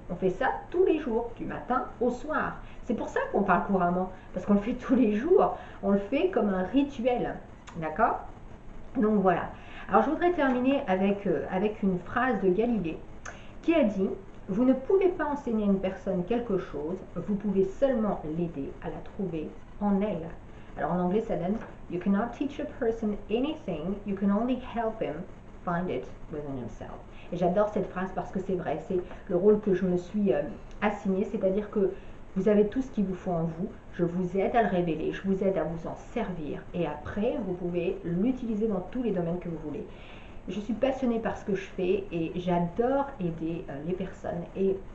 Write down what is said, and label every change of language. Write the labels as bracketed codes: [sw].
[fr] On fait ça tous les jours, du matin au soir. C'est pour ça qu'on parle couramment, parce qu'on le fait tous les jours, on le fait comme un rituel. D'accord? Donc voilà. Alors je voudrais terminer avec une phrase de Galilée qui a dit, vous ne pouvez pas enseigner à une personne quelque chose, vous pouvez seulement l'aider à la trouver en elle. Alors en anglais, ça donne [en] You cannot teach a person anything, you can only help him find it within himself. [fr] Et j'adore cette phrase parce que c'est vrai, c'est le rôle que je me suis assigné, c'est-à-dire que vous avez tout ce qu'il vous faut en vous, je vous aide à le révéler, je vous aide à vous en servir et après, vous pouvez l'utiliser dans tous les domaines que vous voulez. Je suis passionnée par ce que je fais et j'adore aider les personnes et